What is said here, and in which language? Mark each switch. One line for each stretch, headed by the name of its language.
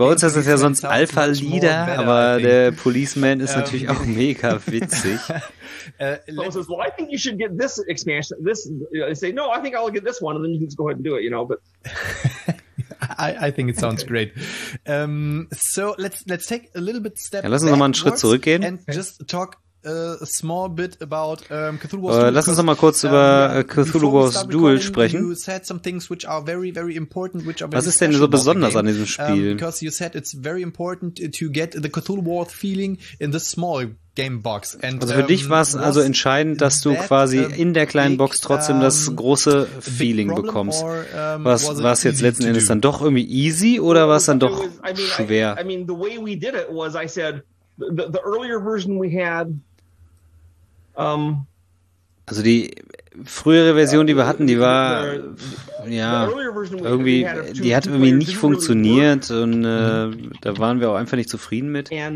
German: Bei uns ist es ja sonst Alpha Leader, aber der Policeman ist natürlich auch mega witzig.
English: I think you should get this expansion. This I say no, I think I'll get this one and then you can just go ahead and do it, you know, but I think it sounds great. So let's take a little bit step.
German: Ja, lass uns nochmal einen Schritt zurückgehen.
English: And just talk a small bit about Cthulhu Wars.
German: Lass uns nochmal kurz über Cthulhu Wars Duel sprechen.
English: You said some things which are very, very important, which are very
German: Was ist denn so besonders an diesem Spiel?
English: Because you said it's very important to get the Cthulhu Wars feeling in the small game box.
German: And, also für dich war es also entscheidend, dass du quasi in der kleinen Box trotzdem das große Feeling bekommst. War es jetzt letzten Endes dann doch irgendwie easy oder war es dann doch schwer?
English: The way we did it was, I said, the earlier version we had,
German: also die frühere Version, die wir hatten, die war, ja, irgendwie, die hat irgendwie nicht funktioniert und da waren wir auch einfach nicht zufrieden mit.